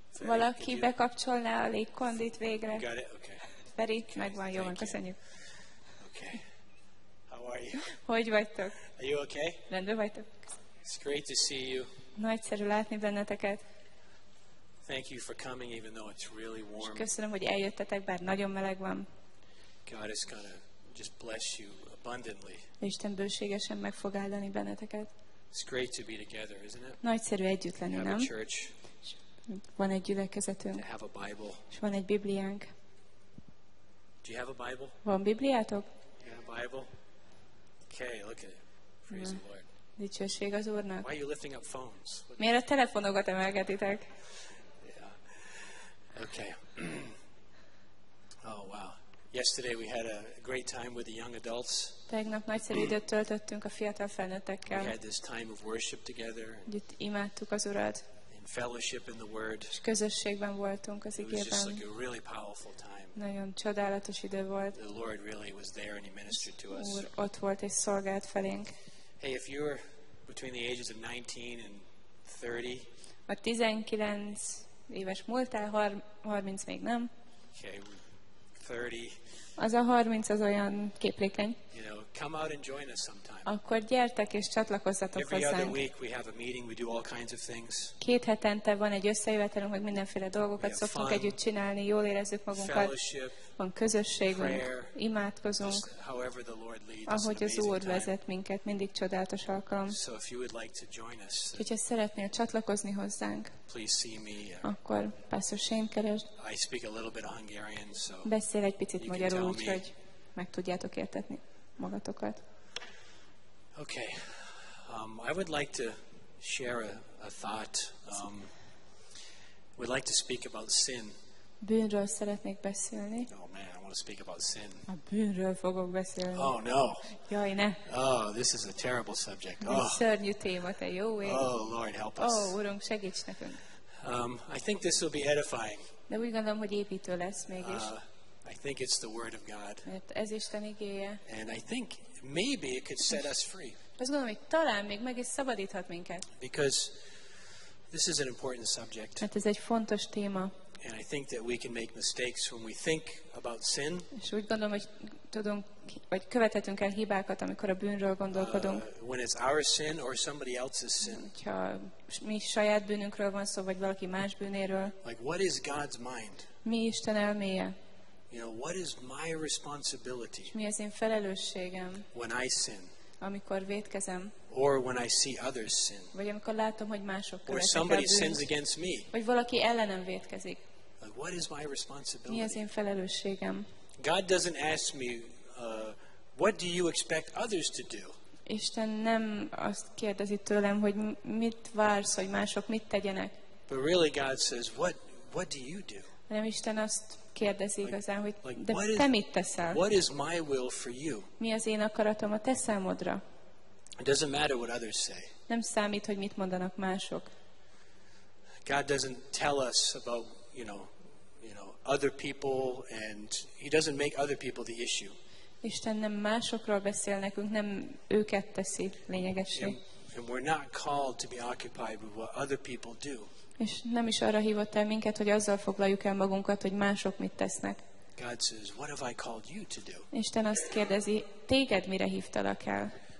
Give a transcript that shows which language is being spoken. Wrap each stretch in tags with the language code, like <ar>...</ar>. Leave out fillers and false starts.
<hu>Valaki bekapcsolná a légkondit végre.</hu> <en>You got it? Okay.</en> <hu>Feri, okay, megvan, jó van, köszönjük.</hu> <en>Okay. How are you?</en> <hu>Hogy vagytok?</hu> <en>Are you okay?</en> <hu>Rendben vagytok.</hu> <en>It's great to see you.</en> <hu>Nagyszerű látni benneteket.</hu> <en>Thank you for coming, even though it's really warm.</en> <hu>És köszönöm, hogy eljöttetek, bár nagyon meleg van.</hu> <en>God is gonna just bless you abundantly.</en> <hu>Isten bőségesen meg fog áldani benneteket.</hu> <en>It's great to be together, isn't it?</en> <hu>Nagyszerű együtt lenni, nem?</hu> <en>Have a church.</en> <hu>Van egy gyülekezetünk.</hu> <en>Have a Bible.</en> <hu>És van egy Bibliánk.</hu> <en>Do you have a Bible?</en> <hu>Van Bibliátok?</hu> <en>You have a Bible? Okay, look at it. Praise the Lord.</en> <hu>Dicsőség az Úrnak.</hu> <en>Why are you lifting up phones?</en> <hu>Miért a telefonokat emelgetitek?</hu> <en>Yeah. Okay. Oh, wow. Yesterday we had a great time with the young adults.</en> <hu>Tegnap nagyszerű időt töltöttünk a fiatal felnőttekkel.</hu> <en>We had this time of worship together.</en> <hu>Együtt imádtuk az Urat.</hu> <en>In fellowship in the Word.</en> <hu>És közösségben voltunk az igében.</hu> <en>It was just like a really powerful time.</en> <hu>Nagyon csodálatos idő volt.</hu> <en>The Lord really was there and He ministered to us.</en> <hu>Úr ott volt és szolgált felénk.</hu> <en>Hey, if you're between the ages of 19 and 30.</en> <hu>A 19 éves múltál, 30 még nem.</hu> <en>Okay. 30.</en> <hu>Az a 30 az olyan képlékeny.</hu> <en>You know, come out and join us sometime.</en> <hu>Akkor gyertek és csatlakozzatok</hu> <en>every</en> <hu>hozzánk.</hu> <en>Other week we have a meeting, we do all kinds of things.</en> <hu>Két hetente van egy összejövetelünk, hogy mindenféle dolgokat szoktunk együtt csinálni, jól érezzük magunkat.</hu> <en>Fellowship,</en> <hu>van közösségünk, imádkozunk.</hu> <en>Just however the Lord leads,</en> <hu>ahogy az Úr</hu> <en>time.</en> <hu>Vezet minket, mindig csodálatos alkalom.</hu> <en>So if you would like to join us,</en> <hu>hogyha szeretnél csatlakozni hozzánk,</hu> <en>please see me.</en> <hu>Akkor pastor Shane keresd.</hu> <en>I speak a little bit of Hungarian, so</en> <hu>beszél egy picit magyarul, úgyhogy meg tudjátok értetni magatokat.</hu> <en>Okay. I would like to share a thought. We'd like to speak about sin.</en> <hu>Bűnről szeretnék beszélni.</hu> <en>Oh man, I want to speak about sin.</en> <hu>A bűnről fogok beszélni.</hu> <en>Oh no.</en> <hu>Jaj, ne.</hu> <en>Oh, this is a terrible subject. Oh.</en> <hu>Szörnyű téma, te jó ég.</hu> <en>Oh, Lord, help us.</en> <hu>Oh, Urunk, segíts nekünk.</hu> <en>I think this will be edifying.</en> <hu>De úgy gondolom, hogy építő lesz mégis.</hu> <en>I think it's the word of God.</en> <hu>Mert ez Isten igéje.</hu> <en>And I think maybe it could set us free.</en> <hu>Azt gondolom, hogy talán még meg is szabadíthat minket.</hu> <en>Because this is an important subject.</en> <hu>Mert ez egy fontos téma.</hu> <en>And I think that we can make mistakes when we think about sin.</en> <hu>És úgy gondolom, hogy tudunk, vagy követhetünk el hibákat, amikor a bűnről gondolkodunk.</hu> <en>When it's our sin or somebody else's sin.</en> <hu>Hogyha mi saját bűnünkről van szó, vagy valaki más bűnéről.</hu> <en>Like, what is God's mind?</en> <hu>Mi Isten elméje?</hu> <en>You know, what is my responsibility?</en> <hu>Mi az én felelősségem?</hu> <en>When I sin.</en> <hu>Amikor vétkezem.</hu> <en>Or when I see others sin.</en> <hu>Vagy amikor látom, hogy mások követik el bűnt.</hu> <en>Or somebody sins against me.</en> <hu>Vagy valaki ellenem vétkezik.</hu> <en>Like, what is my responsibility?</en> <hu>Mi az én felelősségem?</hu> <en>God doesn't ask me, what do you expect others to do?</en> <hu>Isten nem azt kérdezi tőlem, hogy mit vársz, hogy mások mit tegyenek.</hu> <en>But really God says, what do you do?</en> <hu>Hanem Isten azt kérdezi igazán, hogy de te mit teszel?</hu> <en>What is my will for you?</en> <hu>Mi az én akaratom a te számodra?</hu> <en>It doesn't matter what others say.</en> <hu>Nem számít, hogy mit mondanak mások.</hu> <en>God doesn't tell us about, you know, other people, and he doesn't make other people the issue.</en> <hu>Isten nem másokról beszél nekünk, nem őket teszi lényegessé.</hu> <en>And we're not called to be occupied with what other people do.</en> <hu>És nem is arra hívott el minket, hogy azzal foglaljuk el magunkat, hogy mások mit tesznek.</hu> <en>God says, what have I called you to do?</en> <hu>Isten azt kérdezi, téged mire hívtalak el?</hu>